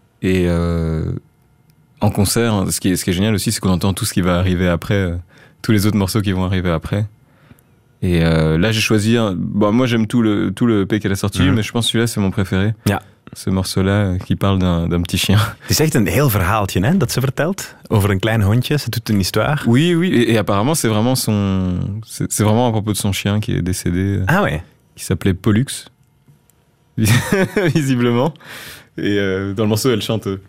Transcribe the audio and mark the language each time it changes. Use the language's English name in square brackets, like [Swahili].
[French] Et en concert, ce qui est génial aussi, c'est qu'on entend tout ce qui va arriver après tous les autres morceaux qui vont arriver après. Et là, j'ai choisi... moi, j'aime tout le EP qu'elle a sorti, mais je pense que celui-là, c'est mon préféré. [Dutch] Ja. [French] Ce morceau-là qui parle d'un petit chien. C'est [Dutch] echt een heel verhaaltje, hein, dat ze vertelt. Over een klein hondje, [French] c'est toute une histoire. Oui, oui. Et apparemment, c'est vraiment son... C'est vraiment à propos de son chien qui est décédé. Ah ouais. Qui s'appelait Pollux. Visiblement. Et dans le morceau, elle chante...